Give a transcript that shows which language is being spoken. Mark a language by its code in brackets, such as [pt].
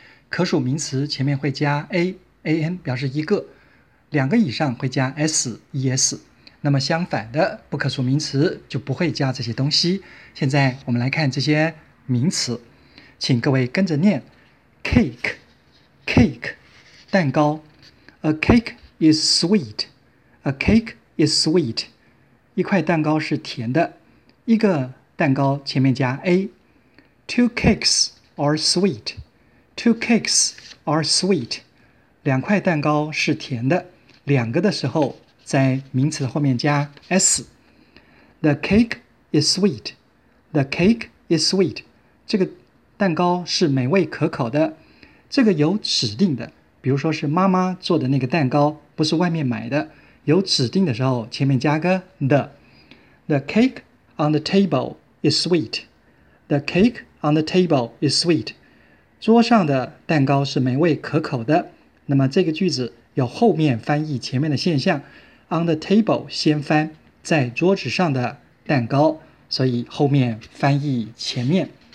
[zh] 可数名词前面会加 AN 表示一个，两个以上会加 SES， 那么相反的不可数名词就不会加这些东西。现在我们来看这些名词，请各位跟着念 cake cake 蛋糕。 [en] A cake is sweet， A cake is sweet， [zh] 一块蛋糕是甜的。一个蛋糕前面加 A， [en] Two cakes are sweet， [zh] Two cakes are sweet， 两块蛋糕是甜的。两个的时候在名词的后面加 S， [en] The cake is sweet， [zh] The cake is sweet， 这个蛋糕是美味可口的。这个有指定的，比如说是妈妈做的那个蛋糕，不是外面买的，有指定的时候前面加个 the。 [en] The cake on the table is sweet， The cake on the table is sweet， [zh] 桌上的蛋糕是美味可口的。那么这个句子有后面翻译前面的现象， [en] on the table [zh] 先翻在桌子上的蛋糕，所以后面翻译前面。